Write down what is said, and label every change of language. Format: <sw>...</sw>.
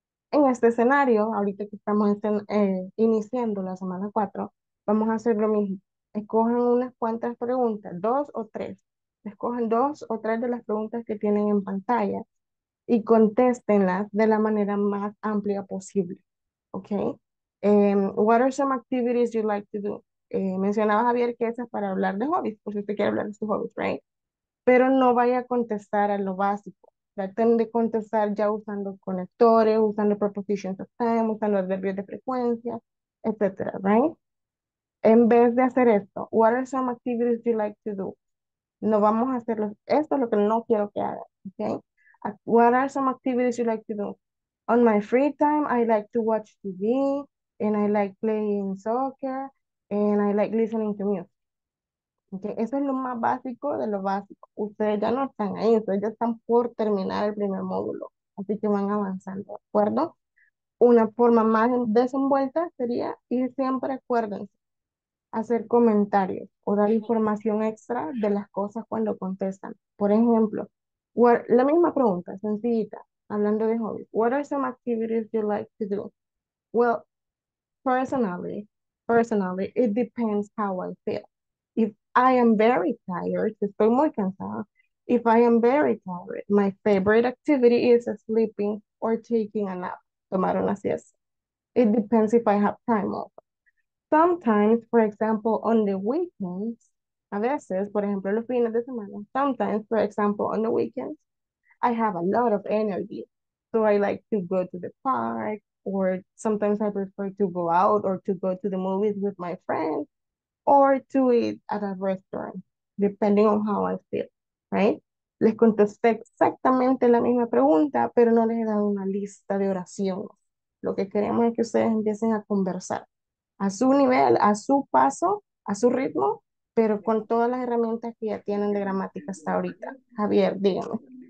<es>En este escenario, ahorita que estamos iniciando la semana 4, Vamos a hacer lo mismo. Escojan unas cuantas preguntas, dos o tres. Escojan dos o tres de las preguntas que tienen en pantalla y contéstenlas de la manera más amplia posible. ¿Ok?</es> <en>What are some activities you like to do?</en> <es>Mencionaba Javier que esa es para hablar de hobbies, por si usted quiere hablar de sus hobbies, right? Pero no vaya a contestar a lo básico. Traten de contestar ya usando conectores, usando prepositions of time, usando adverbios de frecuencia, etcétera, right? En vez de hacer esto,</es> <en>what are some activities you like to do?</en> <es>No vamos a hacerlo. Esto es lo que no quiero que haga, okay?</es> <en>What are some activities you like to do? On my free time, I like to watch TV, and I like playing soccer, and I like listening to music.</en> <es>Okay, eso es lo más básico de lo básico. Ustedes ya no están ahí, ustedes ya están por terminar el primer módulo. Así que van avanzando, ¿de acuerdo? Una forma más desenvuelta sería ir siempre, acuérdense, hacer comentarios o dar información extra de las cosas cuando contestan. Por ejemplo, la misma pregunta, sencillita, hablando de hobbies.</es> <en>What are some activities you like to do? Well, personally, it depends how I feel. If I am very tired,</en> <es>estoy muy cansada.</es> <en>If I am very tired, my favorite activity is sleeping or taking a nap.</en> <es>Tomar una siesta.</es> <en>It depends if I have time off. Sometimes, for example, on the weekends,</en> <es>a veces, por ejemplo, los fines de semana,</es> <en>sometimes, for example, on the weekends, I have a lot of energy. So I like to go to the park, or sometimes I prefer to go out or to go to the movies with my friends, or to eat at a restaurant, depending on how I feel, right?</en> <es>Les contesté exactamente la misma pregunta, pero no les he dado una lista de oración. Lo que queremos es que ustedes empiecen a conversar a su nivel, a su paso, a su ritmo, pero con todas las herramientas que ya tienen de gramática hasta ahorita. Javier, dígame.</es>